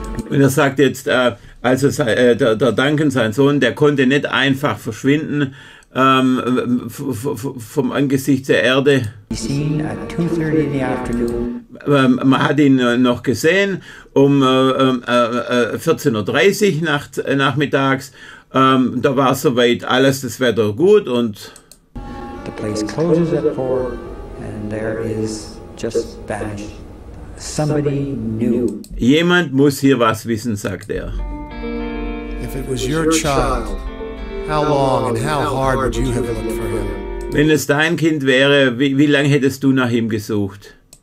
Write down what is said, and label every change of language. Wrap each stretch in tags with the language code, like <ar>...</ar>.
<de>Und er sagt jetzt, also der Duncan, sein Sohn, der konnte nicht einfach verschwinden vom Angesicht der Erde. Man hat ihn noch gesehen um 14.30 Uhr nachmittags. Da war soweit alles, das Wetter gut und</de> <en>the place closes at 4 and there is just vanished. Somebody knew.</en> <de>Jemand muss hier was wissen, sagt er.</de> <en>If it was your child, how long and how hard would you have looked for him?</en> <de>Wenn es dein Kind wäre, wie lange hättest du nach ihm gesucht?</de>